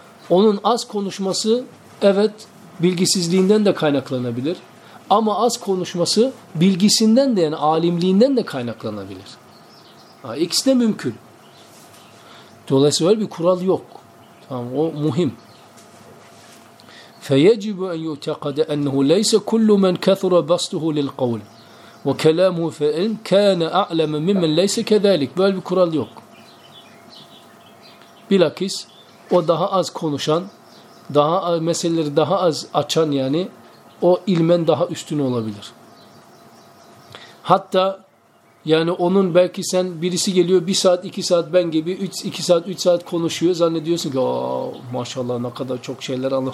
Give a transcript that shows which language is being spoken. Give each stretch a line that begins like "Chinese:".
Turkish: Onun az konuşması evet bilgisizliğinden de kaynaklanabilir. Ama az konuşması bilgisinden de yani alimliğinden de kaynaklanabilir. İkisi de mümkün. Dolayısıyla öyle bir kural yok. Tamam, o muhim.
Arabic: فَيَجِبُ أَنْ يُتَقَدَ أَنَّهُ لَيْسَ كُلُّ مَنْ كَثُرَ بَسْتُهُ لِلْقَوْلِ وَكَلَامُهُ فَاِنْ كَانَ أَعْلَمَ مِمَّنْ لَيْسَ كَذَٰلِكَ
Turkish: Böyle bir kural yok. Bilakis o daha az konuşan, daha meseleleri daha az açan yani o ilmen daha üstün olabilir. Hatta yani onun belki sen birisi geliyor bir saat iki saat ben gibi üç saat konuşuyor zannediyorsun ki maşallah ne kadar çok şeyler anlıyor.